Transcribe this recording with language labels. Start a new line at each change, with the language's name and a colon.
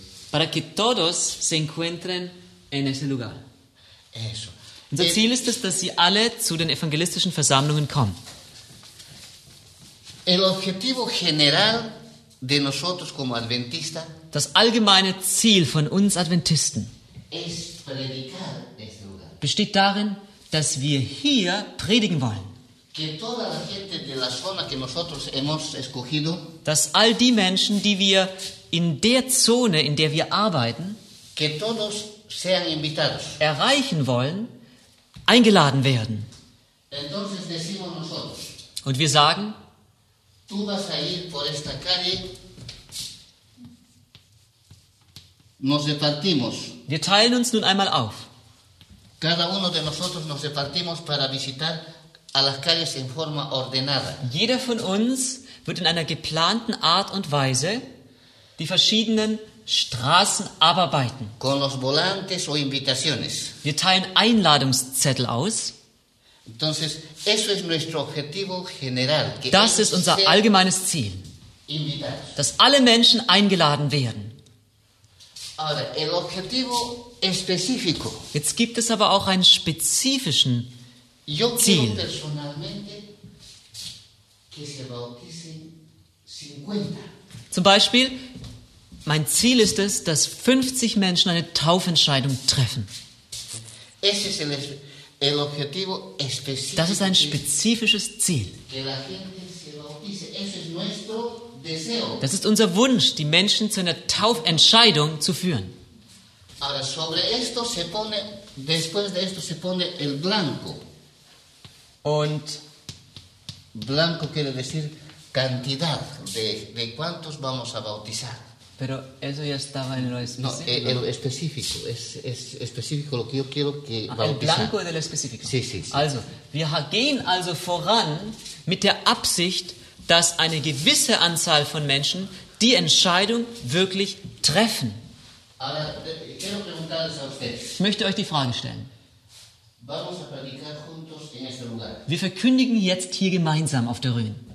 Spanish: para que todos se encuentren en ese lugar. Eso.
German: Unser Ziel ist es, dass sie alle zu den evangelistischen Versammlungen kommen.
Spanish: El objetivo general de nosotros como adventista,
German: das allgemeine Ziel von uns Adventisten
Spanish: es predicar este lugar.
German: Besteht darin, dass wir hier predigen wollen.
Spanish: Que toda la gente de la zona que nosotros hemos escogido,
German: dass all die Menschen, die wir in der Zone, in der wir arbeiten,
Spanish: que todos sean invitados,
German: erreichen wollen, eingeladen werden.
Spanish: Entonces decimos nosotros,
German: und wir sagen,
Spanish: tú vas a ir por esta calle, nos repartimos.
German: Wir teilen uns nun einmal auf.
Spanish: Cada uno de nosotros nos repartimos para visitar a las calles en forma ordenada.
German: Jeder von uns wird in einer geplanten Art und Weise die verschiedenen Straßen abarbeiten.
Spanish: Con los volantes o invitaciones.
German: Wir teilen Einladungszettel aus.
Spanish: Entonces, eso es nuestro objetivo general, que
German: das ist unser allgemeines Ziel.
Spanish: Invitados.
German: Dass alle Menschen eingeladen werden.
Spanish: Ahora, el objetivo específico.
German: Jetzt gibt es aber auch einen spezifischen
Spanish: yo
German: Ziel.
Spanish: Quiero personalmente que se bauticen 50.
German: Zum Beispiel, mein Ziel ist es, dass 50 Menschen eine Taufentscheidung treffen.
Spanish: Ese es el objetivo específico.
German: Das ist ein spezifisches Ziel.
Spanish: Que la gente se bautice. Ese es nuestro deseo.
German: Das ist unser Wunsch, die Menschen zu einer Taufentscheidung zu führen.
Spanish: Ahora, sobre esto se pone, después de esto se pone el blanco.
German: Und
Spanish: blanco quiere decir cantidad de cuántos vamos a bautizar. Pero eso ya estaba en lo específico. No, específico. Es específico lo que yo quiero que bautizar. El blanco del específico. Sí, sí, sí.
German: Also, wir gehen also voran mit der Absicht, dass eine gewisse Anzahl von Menschen die Entscheidung wirklich treffen. Ich möchte euch die Frage stellen. Wir verkündigen jetzt hier gemeinsam auf der Rhön.